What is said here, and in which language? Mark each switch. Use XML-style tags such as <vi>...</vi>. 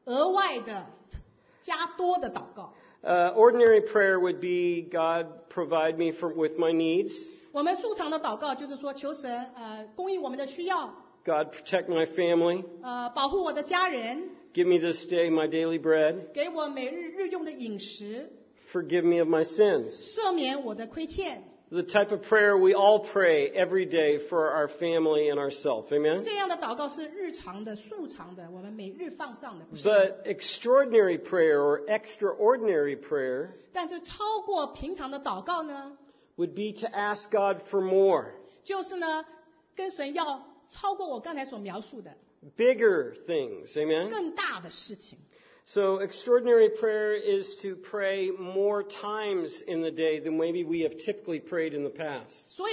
<zh>我们这个祷告的题目就是说额外的加多的祷告。</zh> <en>Ordinary prayer would be God provide me with my needs.</en> <zh>我们素常的祷告就是说求神供应我们的需要。</zh> <en>God protect my family.</en> <zh>保护我的家人。</zh> <en>Give me this day my daily bread.</en> <zh>给我每日日用的饮食。</zh> <en>Forgive me of my sins.</en> <zh>赦免我的亏欠。</zh> <en>The type of prayer we all pray every day for our family and ourselves. Amen?</en> <zh>这样的祷告是日常的,素常的,我们每日放上的。</zh> <en>But extraordinary prayer or extraordinary prayer</en> <zh>但是超过平常的祷告呢?</zh> <en>Would be to ask God for more.</en> <zh>就是呢,跟神要超过我刚才所描述的。</zh> <en>Bigger things. Amen?</en> <zh>更大的事情。</zh> <en>So extraordinary prayer is to pray more times in the day than maybe we have typically prayed in the past.</en>